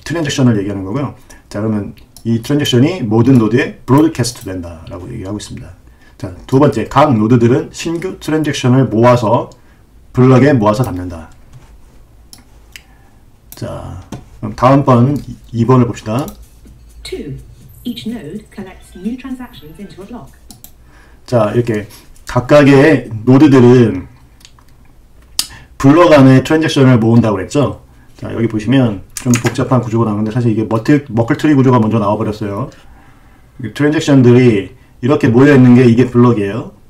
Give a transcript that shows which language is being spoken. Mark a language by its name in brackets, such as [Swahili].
[Korean] 트랜잭션을 얘기하는 거고요. 자, 그러면 이 트랜잭션이 모든 노드에 브로드캐스트 된다라고 얘기하고 있습니다. 자, 두 번째, 각 노드들은 신규 트랜잭션을 모아서 블럭에 모아서 담는다. 자, 그럼 다음 번 2번을 봅시다. 2. [English] Each node collects new transactions into a block. [Korean] 자, 이렇게 각각의 노드들은 블럭 안에 트랜잭션을 모은다고 그랬죠? 자, 여기 보시면 좀 복잡한 구조가 나오는데 사실 이게 머클트리 구조가 먼저 나와버렸어요. 트랜잭션들이 이렇게 모여있는 게 이게 블럭이에요.